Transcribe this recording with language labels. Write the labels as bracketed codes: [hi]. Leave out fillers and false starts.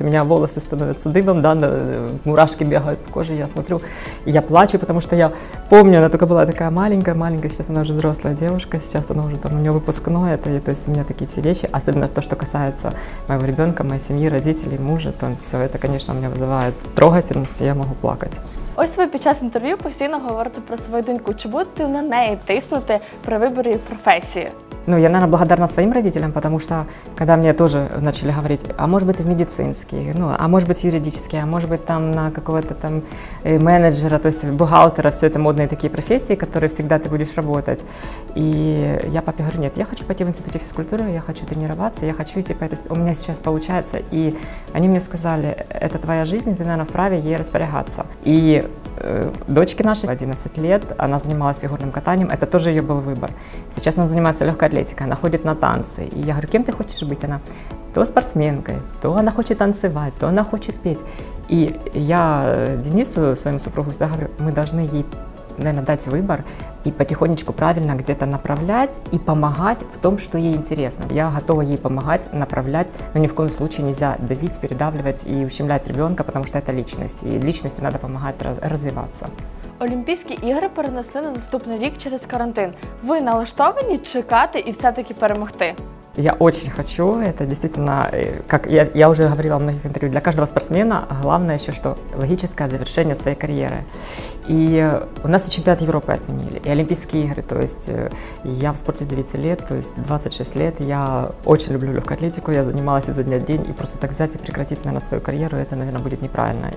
[ru] У меня волосы становятся дыбом, да, мурашки бегают по коже, я смотрю, и я плачу, потому что я помню, она только была такая маленькая, сейчас она уже взрослая девушка, сейчас она уже там, у нее выпускное, это, и, то есть у меня такие все вещи, особенно то, что касается моего ребенка, моей семьи, родителей, мужа, то все это, конечно, у меня вызывает трогательность, и я могу плакать. [uk] Ось ви під час інтерв'ю постійно говорите про свою доньку. Чи будете на неї тиснути при виборі професії? [ru] Ну, я, наверное, благодарна своим родителям, потому что, когда мне тоже начали говорить, а может быть, в медицинский, ну, а может быть, юридический, а может быть, там, на какого-то там менеджера, то есть бухгалтера, все это модные такие профессии, которые всегда ты будешь работать. И я папе говорю: нет, я хочу пойти в институте физкультуры, я хочу тренироваться, я хочу идти по этой... У меня сейчас получается. И они мне сказали: это твоя жизнь, ты, наверное, вправе ей распоряжаться. И дочке нашей 11 лет, она занималась фигурным катанием, это тоже ее был выбор. Сейчас она занимается легкой атлетикой, она ходит на танцы. И я говорю: кем ты хочешь быть? Она то спортсменкой, то она хочет танцевать, то она хочет петь. И я Денису, своему супругу, всегда говорю: мы должны ей, наверное, дать выбор и потихонечку правильно где-то направлять и помогать в том, что ей интересно. Я готова ей помогать, направлять, но ни в коем случае нельзя давить, передавливать и ущемлять ребенка, потому что это личность, и личности надо помогать развиваться. [uk] Олімпійські ігри перенесли на наступний рік через карантин. Ви налаштовані чекати і все-таки перемогти? [ru] Я очень хочу, это действительно, как я уже говорила в многих интервью, для каждого спортсмена главное еще, что логическое завершение своей карьеры. И у нас и чемпионат Европы отменили, и Олимпийские игры, то есть я в спорте с 9 лет, то есть 26 лет, я очень люблю легкую атлетику, я занималась изо дня в день, и просто так взять и прекратить, наверное, свою карьеру, это, наверное, будет неправильно.